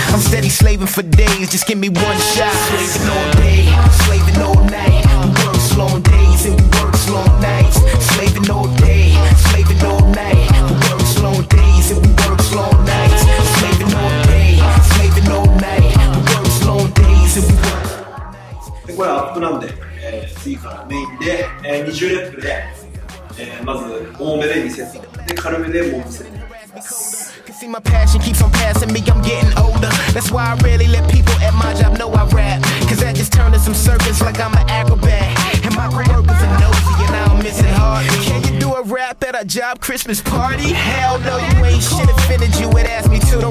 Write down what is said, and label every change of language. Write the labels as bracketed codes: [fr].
[en] I'm steady slaving for days. Just give me one shot. Slaving all day, slaving all night. Works long days and works long nights. Slaving all day, slaving all night. Works long days and works long nights. Slaving all day, slaving all night. Works long days and works long nights. [ja] これアップなんで次からメインで、20レップで、まず多めで2セットで軽めでもう2セット。 [en] See my passion keeps on passing me, I'm getting older. That's why I rarely let people at my job know I rap. Cause that just turned to some circus like I'm an acrobat. And my co-work is a nosy and I don't miss it hardly. Can you do a rap at a job Christmas party? Hell no, you ain't shit offended, you would ask me to.